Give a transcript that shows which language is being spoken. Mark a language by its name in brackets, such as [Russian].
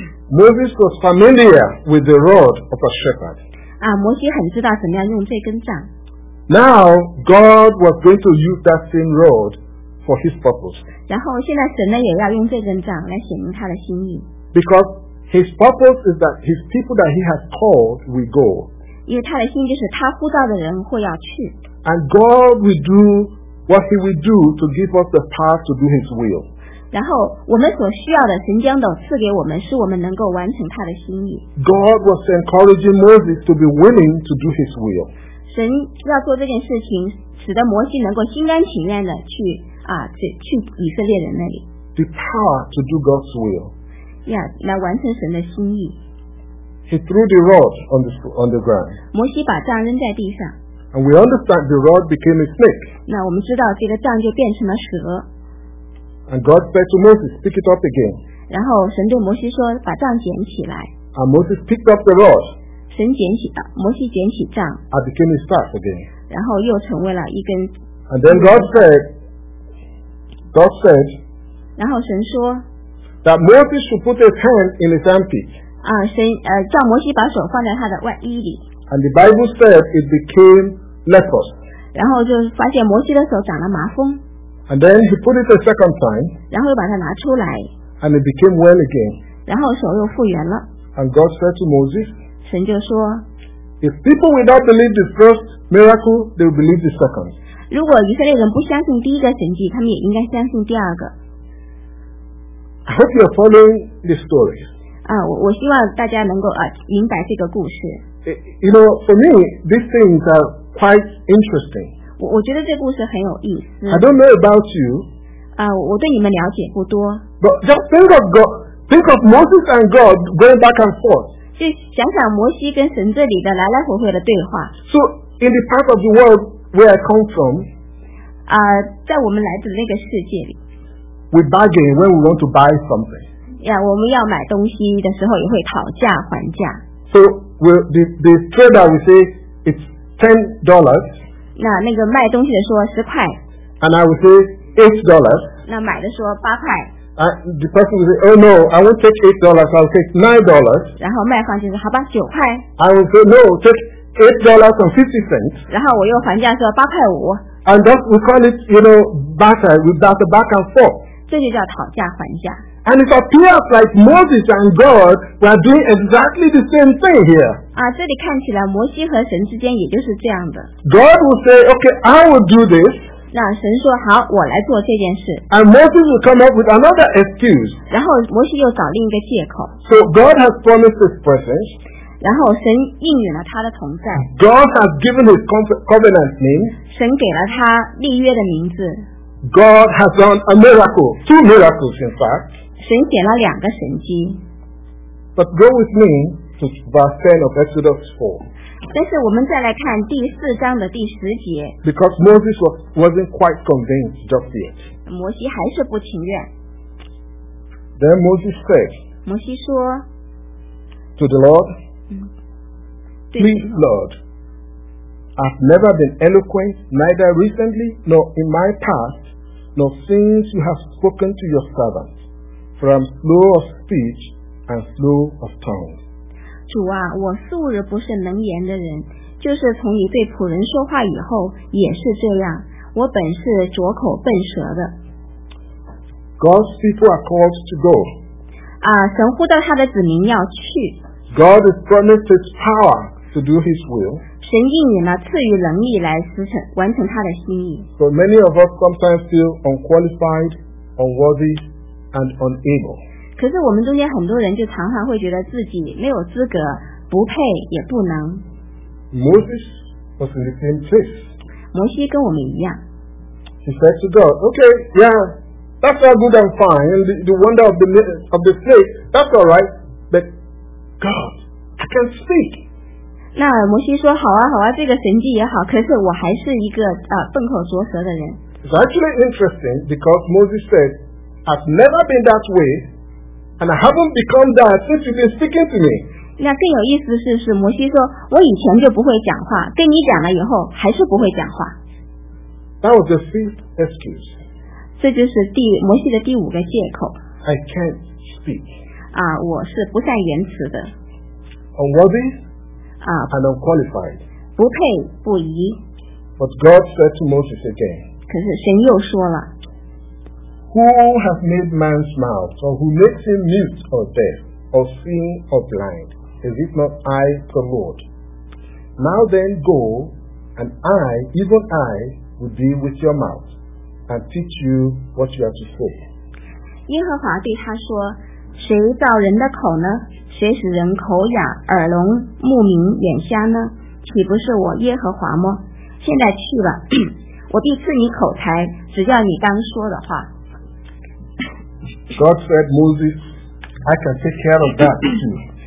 [English] Moses was familiar with the rod of a shepherd. [Chinese] 摩西很知道怎么样用这根杖。 [English] Now God was going to use that same rod for His purpose. [Chinese] 然后现在神呢也要用这根杖来显明他的心意。 [English] Because His purpose is that His people that He has called will go. [Chinese] 因为他的心就是他呼召的人会要去。 [English] And God will do what He will do to give us the power to do His will. [Chinese] 然后我们所需要的神将都赐给我们，使我们能够完成他的心意。 [English] God was encouraging Moses to be willing to do His will. [Chinese] 神要做这件事情，使得摩西能够心甘情愿的去啊，去以色列人那里。 [English] The power to do God's will. [Chinese] Yeah, 来完成神的心意。 [English] He threw the rod on the ground. [Chinese] 摩西把杖扔在地上。 [English] And we understand the rod became a snake. [Chinese] 那我们知道这个杖就变成了蛇。 [English] And God said to Moses, "Pick it up again." [Chinese] 然后神对摩西说，把杖捡起来。 [English] And Moses picked up the rod. [Chinese] 神捡起啊，摩西捡起杖。 [English] And became a staff again. [Chinese] 然后又成为了一根。 [English] And then God said. [Chinese] 然后神说。 [English] That Moses should put his hand in his armpit. [Chinese] 啊，神叫摩西把手放在他的外衣里。 [English] And the Bible said it became leprous. [Chinese] 然后就发现摩西的手长了麻风。 [English] And then he put it a second time. [Chinese] 然后又把它拿出来。 [English] And it became well again. [Chinese] 然后手又复原了。 [English] And God said to Moses. [Chinese] 神就说。 [English] If people will not believe the first miracle, they will believe the second. [Chinese] 如果以色列人不相信第一个神迹，他们也应该相信第二个。 [English] I hope you are following the story. [Chinese] 我希望大家能够明白这个故事。 [English] You know, for me, these things are quite interesting. [Chinese] 我觉得这故事很有意思。 [English] I don't know about you. [Chinese] 我对你们了解不多。 [English] But just think of God, think of Moses and God going back and forth. [Chinese] 就想想摩西跟神这里的来来回回的对话。 [English] So in the part of the world where I come from, [Chinese] 在我们来自那个世界里 [English] ，we bargain when we want to buy something. [Chinese] 我们要买东西的时候也会讨价还价。 [English] So well, the trader will say it's $10. [Chinese] 那个卖东西的说十块。 [English] And I will say $8. [Chinese] 那买的说八块。 [English] The person will say, oh no, I won't take $8. I'll take $9. [Chinese] 然后卖方就说好吧，九块。 [English] I will say no, take $8.50. [Chinese] 然后我又还价说八块五。 [English] And that we call it, you know, barter. We barter back and forth. [Chinese] 这就叫讨价还价。 [English] And it appears like Moses and God were doing exactly the same thing here. [Chinese] 这里看起来摩西和神之间也就是这样的。 [English] God will say, okay, I will do this. [Chinese] 那神说好，我来做这件事。 [English] And Moses will come up with another excuse. [Chinese] 然后摩西又找另一个借口。 [English] So God has promised his presence. [Chinese] 然后神应允了他的同在。 [English] God has given his covenant name. [Chinese] 神给了他立约的名字。 [English] God has done a miracle, two miracles in fact. [Chinese] 神显了两个神迹。 [English] But go with me to verse 10 of Exodus 4. [Chinese] 但是我们再来看第四章的第十节。 [English] Because Moses wasn't quite convinced just yet. [Chinese] 摩西还是不情愿。 [English] Then Moses said, [Chinese] 摩西说, [English] to the Lord, [Chinese] 对, [English] please Lord, I've never been eloquent, neither recently nor in my past, nor since you have spoken to your servant, for I am slow of speech and slow of tongue. [Chinese] 主啊，我素日不是能言的人，就是从你对仆人说话以后也是这样，我本是拙口笨舌的。 [English] God's people are called to go. [Chinese] 神呼召他的子民要去。 [English] God has promised his power to do his will. [Chinese] 神应允了赐予能力来完成他的心意。 [English] But many of us sometimes feel unqualified, unworthy, and unable. [Chinese] 可是我们中间很多人就常常会觉得自己没有资格，不配，也不能。 [English] Moses was in the same place. [Chinese] 摩西跟我们一样。 [English] He said to God, okay, yeah, that's all good and fine. The wonder of the faith, that's all right. But God, I can't speak. [Chinese] 那摩西说好啊好啊，这个神迹也好，可是我还是一个笨口拙舌的人。 [English] It's actually interesting because Moses said, I've never been that way and I haven't become that since you've been speaking to me. [Chinese] 那更有意思的是摩西说，我以前就不会讲话，跟你讲了以后还是不会讲话。 [English] That was the fifth excuse. [Chinese] 这就是摩西的第五个借口。 [English] I can't speak. [Chinese] 我是不善言辞的。 [English] Unworthy and unqualified. [Chinese] 不配不宜。 [English] But God said to Moses again, [Chinese] 可是神又说了, [English] Who has made man's mouth, or who makes him mute or deaf, or seeing or blind? Is it not I, the Lord? Now then go, and I, even I, will be with your mouth, and teach you what you have to say. [Chinese] 耶和华对他说,谁造人的口呢?谁使人口哑、耳聋、目明、眼瞎呢？岂不是我耶和华么？现在去吧，我必赐你口才，只叫你当说的话。 [English] God said, Moses, I can take care of that too.